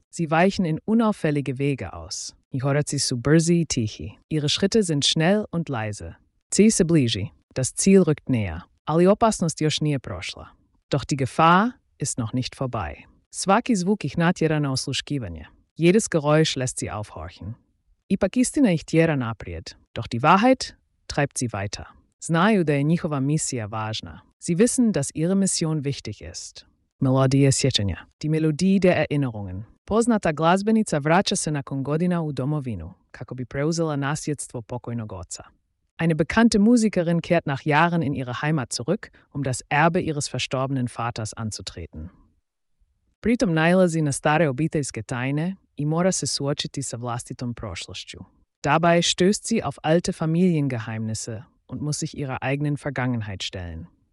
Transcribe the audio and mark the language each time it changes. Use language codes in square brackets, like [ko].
[de] Sie weichen in unauffällige Wege aus. [hr] Njihoraci su brzi i tihi. [de] Ihre Schritte sind schnell und leise. [hr] Cilj se bliži. [de] Das Ziel rückt näher. [hr] Ali opasnost još nije prošla. [de] Doch die Gefahr ist noch nicht vorbei. [hr] Svaki zvuk ih natjera na osluškivanje. [de] Jedes Geräusch lässt sie aufhorchen. [hr] Ipak istina ih tjera naprijed. [de] Doch die Wahrheit treibt sie weiter. [hr] Znaju da je njihova misija važna. [de] Sie wissen, dass ihre Mission wichtig ist. [hr] Melodije sjećanja. [de] Die Melodie der Erinnerungen. [hr] Poznata glazbenica vraća se nakon godina u domovinu, kako bi preuzela nasljedstvo pokojnog oca. [de] Eine bekannte Musikerin kehrt nach Jahren in ihre Heimat zurück, das Erbe ihres verstorbenen Vaters anzutreten. [hr] Pritom nailazi na stare obiteljske tajne i mora se suočiti sa vlastitom prošlošću. [de] Dabei stößt sie auf alte Familiengeheimnisse und muss sich ihrer eigenen Vergangenheit stellen.